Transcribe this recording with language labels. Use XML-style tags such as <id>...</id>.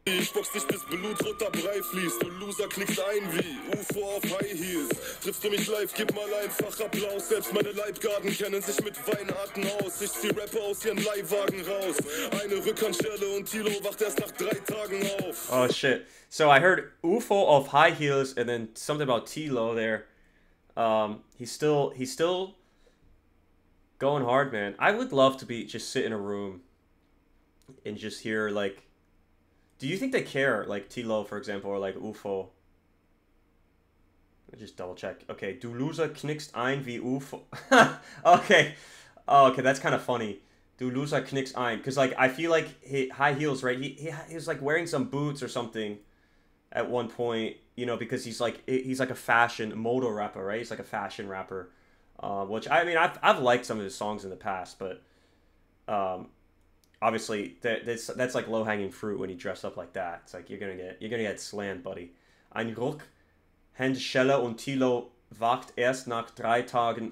<de>Ich box dich bis blutroter Brei fließt. Du Loser knickst ein wie UFO auf High Heels. Triffst du mich live, gib mal einfach Applaus. Selbst meine Leibgarden kennen sich mit Weinarten aus. Ich zieh Rapper aus ihren Leihwagen raus. Eine Rückhandschelle und Tilo wacht erst nach 3 Tagen auf.</de> <en>Oh shit. So I heard UFO of high heels and then something about T-Lo there. He's still going hard, man. I would love to be just sit in a room and just hear like do you think they care, like T-Lo, for example, or like UFO? Let's just double check. Okay,</en> <de>du loser knickst ein wie UFO.</de> <en>Okay. Oh, okay, that's kind of funny.</en> <de>Du loser knickst ein.</de> <en>Because, like, I feel like high heels, right? He was, like, wearing some boots or something at one point, you know, because he's like a fashion modal rapper, right? He's like a fashion rapper. Which, I mean, I've liked some of his songs in the past, but obviously, that's like low hanging fruit when you dress up like that. It's like you're gonna get slammed, buddy.</en> <de>Ein Ruck, Handschelle und Tilo wacht erst nach 3 Tagen.</de>